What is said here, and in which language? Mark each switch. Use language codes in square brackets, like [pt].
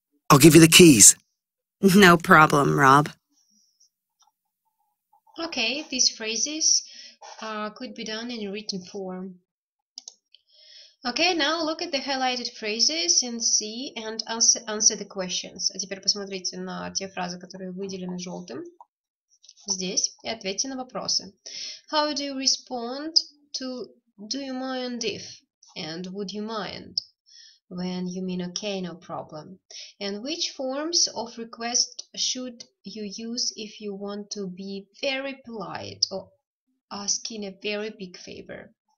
[en] I'll give you the keys. No problem, Rob. Okay, these phrases could be done in written form. Okay, now look at the highlighted phrases and see and answer the questions. [ru] А теперь посмотрите на те фразы, которые выделены желтым здесь, и ответьте на вопросы. [en] How do you respond to do you mind if and would you mind? When you mean okay, no problem. And which forms of request should you use if you want to be very polite or asking a very big favor?